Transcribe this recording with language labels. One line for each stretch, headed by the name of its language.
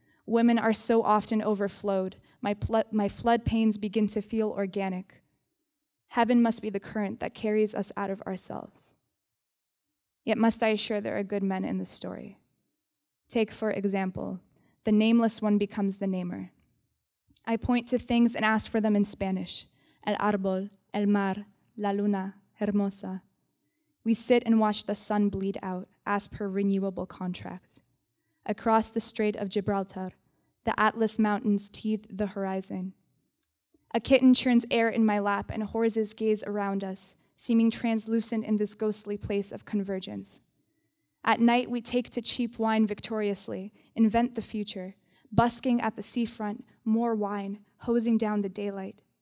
English: Women are so often overflowed, my flood pains begin to feel organic. Heaven must be the current that carries us out of ourselves. Yet must I assure there are good men in the story. Take, for example, the nameless one becomes the namer. I point to things and ask for them in Spanish.
Spanish: El árbol, el mar, la luna, hermosa.
English: We sit and watch the sun bleed out, as per renewable contract. Across the Strait of Gibraltar, the Atlas Mountains teethe the horizon. A kitten churns air in my lap and horses gaze around us, seeming translucent in this ghostly place of convergence. At night, we take to cheap wine victoriously, invent the future, busking at the seafront, more wine, hosing down the daylight.